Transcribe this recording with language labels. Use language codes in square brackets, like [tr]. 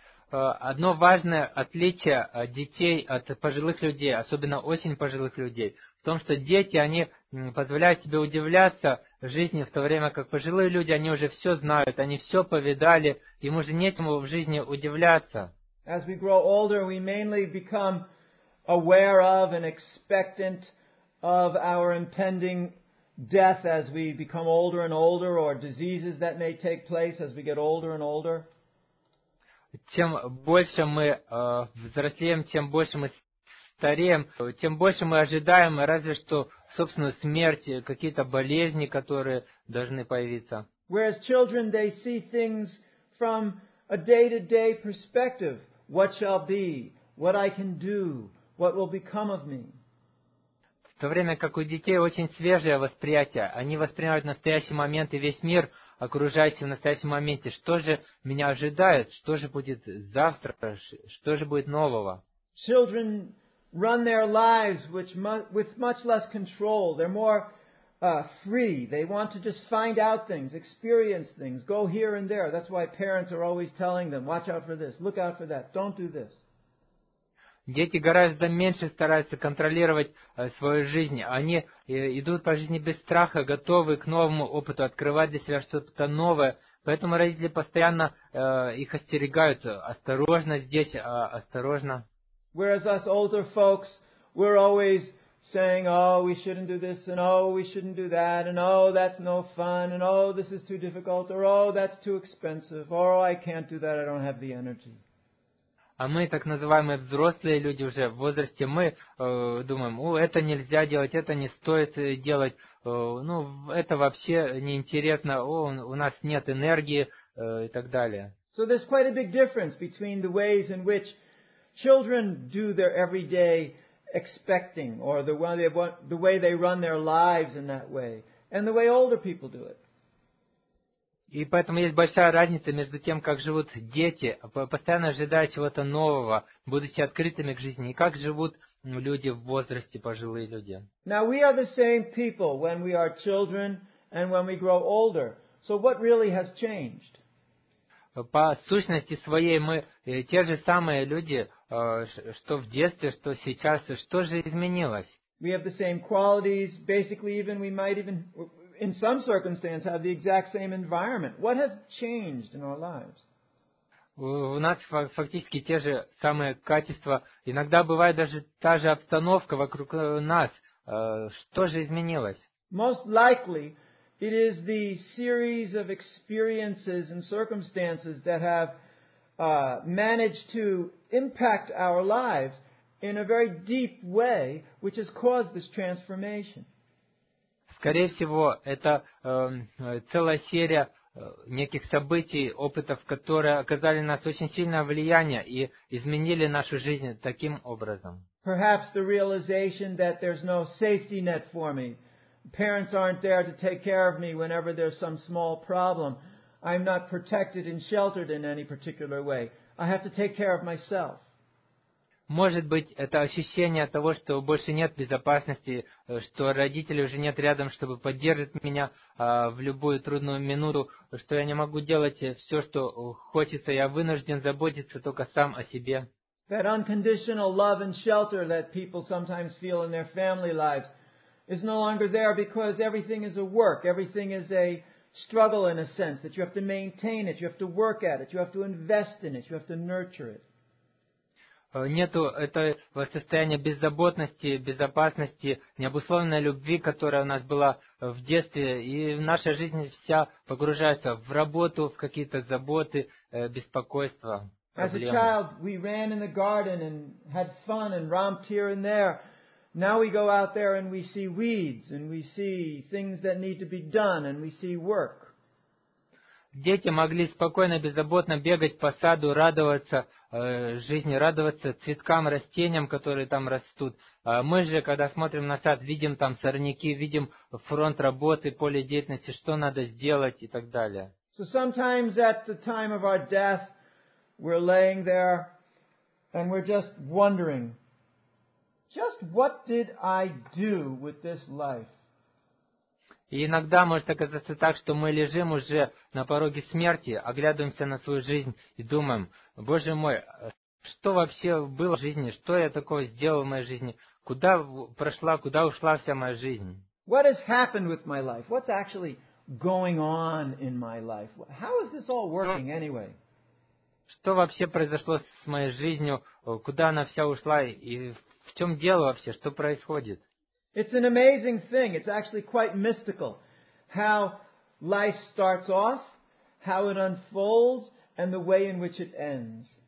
[ru] Одно важное отличие детей от пожилых людей, особенно очень пожилых людей, в том, что дети, они позволяют себе удивляться жизни, в то время как пожилые люди, они уже все знают, они все повидали, им уже нечему в жизни удивляться. [en] As we grow older, we mainly become aware of and expectant of our impending death as we become older and older, or diseases that may take place as we get older and older. [ru] Чем больше мы взрослеем, тем больше мы стареем, тем больше мы ожидаем, разве что, собственно, смерти, какие-то болезни, которые должны появиться. [en] Whereas children, they see things from a day-to-day perspective. What shall be? What I can do? What will become of me? [ru] В то время как у детей очень свежее восприятие, они воспринимают настоящий момент и весь мир, окружающий в настоящем моменте. Что же меня ожидает? Что же будет завтра? Что же будет нового? [en] Children run their lives with much less control. They're more free. They want to just find out things, experience things, go here and there. That's why parents are always telling them, watch out for this, look out for that, don't do this. [ru] Дети гораздо меньше стараются контролировать свою жизнь. Они идут по жизни без страха, готовы к новому опыту, открывать для себя что-то новое. Поэтому родители постоянно их остерегают. Осторожно здесь, осторожно. [en] Whereas us older folks, we're always saying, oh, we shouldn't do this, and oh, we shouldn't do that, and oh, that's no fun, and oh, this is too difficult, or oh, that's too expensive, or oh, I can't do that, I don't have the energy. [ru] А мы, так называемые взрослые люди уже в возрасте, мы думаем, о, это нельзя делать, это не стоит делать, ну, это вообще неинтересно, о, у нас нет энергии и так далее. [en] So there's quite a big difference between the ways in which children do their everyday expecting, or the way they run their lives in that way, and the way older people do it. [ru] И поэтому есть большая разница между тем, как живут дети, постоянно ожидая чего-то нового, будучи открытыми к жизни, и как живут люди в возрасте, пожилые люди. [en] Now we are the same people when we are children and when we grow older. So what really has changed? [ru] По сущности своей мы те же самые люди, что в детстве, что сейчас. Что же изменилось? [en] We have the same qualities, basically even we might even... In some circumstances, have the exact same environment. What has changed in our lives? [ru] У нас фактически те же самые качества. Иногда бывает даже та же обстановка вокруг нас. Что же изменилось? [en] Most likely, it is the series of experiences and circumstances that have managed to impact our lives in a very deep way, which has caused this transformation. [ru] Скорее всего, это целая серия неких событий, опытов, которые оказали на нас очень сильное влияние и изменили нашу жизнь таким образом. [en] Perhaps the realization that there's no safety net for me. Parents aren't there to take care of me whenever there's some small problem. I'm not protected and sheltered in any particular way. I have to take care of myself. [ru] Может быть, это ощущение того, что больше нет безопасности, что родителей уже нет рядом, чтобы поддерживать меня в любую трудную минуту, что я не могу делать все, что хочется, я вынужден заботиться только сам о себе. [en] That unconditional love and shelter that people sometimes feel in their family lives is no longer there because everything is a work, everything is a struggle in a sense, that you have to maintain it, you have to work at it, you have to invest in it, you have to nurture it. [ru] Нету этого состояния беззаботности, безопасности, необусловленной любви, которая у нас была в детстве, и наша жизнь вся погружается в работу, в какие-то заботы, беспокойства, проблемы. [en] As a child, we ran in the garden and had fun and romped here and there. Now we go out there and we see weeds and we see things that need to be done and we see work. [ru] Дети могли спокойно, беззаботно бегать по саду, радоваться жизни, радоваться цветкам, растениям, которые там растут. Мы же, когда смотрим на сад, видим там сорняки, видим фронт работы, поле деятельности, что надо сделать и так далее. [en] So sometimes at the time of our death, we're laying there and we're just wondering, just what did I do with this life? [ru] И иногда может оказаться так, что мы лежим уже на пороге смерти, оглядываемся на свою жизнь и думаем, Боже мой, что вообще было в жизни, что я такого сделал в моей жизни, куда прошла, куда ушла вся моя жизнь? [en] What has happened with my life? What's actually going on in my life? How is this all working anyway? [ru] Что вообще произошло с моей жизнью, куда она вся ушла и в чем дело вообще, что происходит? [en] It's an amazing thing. It's actually quite mystical how life starts off, how it unfolds, and the way in which it ends.